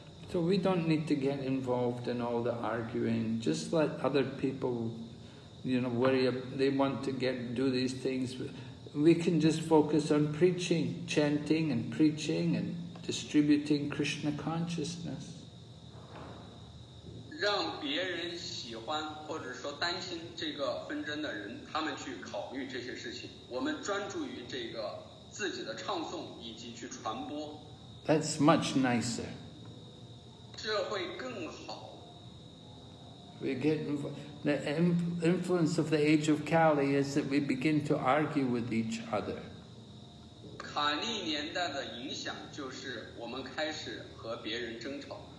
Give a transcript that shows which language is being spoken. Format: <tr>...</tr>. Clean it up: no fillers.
<en>So we don't need to get involved in all the arguing. Just let other people, you know, worry. They want to do these things. We can just focus on preaching, chanting and preaching and distributing Krishna consciousness.</en> <zh>让别人喜欢或者说担心这个纷争的人，他们去考虑这些事情。我们专注于这个自己的唱诵以及去传播。</zh> <en>That's much nicer.</en> <zh>这会更好。</zh> <en>We get the influence of the age of Kali is that we begin to argue with each other.</en> <zh>卡利年代的影响就是我们开始和别人争吵。</zh>